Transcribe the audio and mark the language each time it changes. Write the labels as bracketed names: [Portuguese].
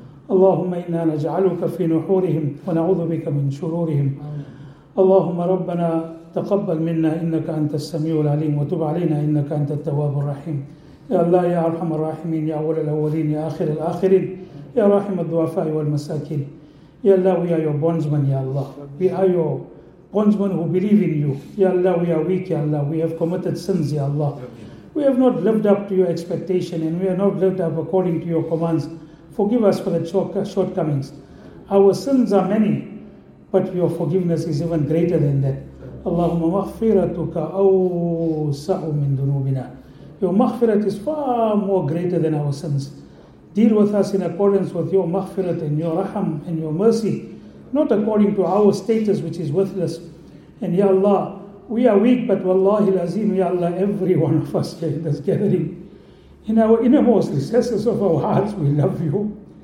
[Arabic] اللهم إنا نجعلك في نحورهم ونعوذ بك من شرورهم. اللهم ربنا تقبل منا إنك أنت السميع العليم، وتب علينا إنك أنت التواب الرحيم. يا الله يا أرحم الراحمين، يا أول الأولين يا آخر الآخرين، يا راحم الضعفاء والمساكين. يا الله [English] we are your bondsmen. يا الله we are your bondsmen who believe in you. [Arabic] يا الله [English] we are weak. يا الله we have committed sins. يا الله we have not lived up to your expectation and we have not lived up according to your commands. Forgive us for the shortcomings. Our sins are many, but your forgiveness is even greater than that. [Arabic] اللهم مغفرتك أوسع من ذنوبنا. [English] Your maghfirat is far more greater than our sins. Deal with us in accordance with your maghfirat and your raham and your mercy, not according to our status, which is worthless. And ya Allah, we are weak, but wallahi lazim, ya Allah, every one of us here in this gathering, in our innermost recesses of our hearts, we love you.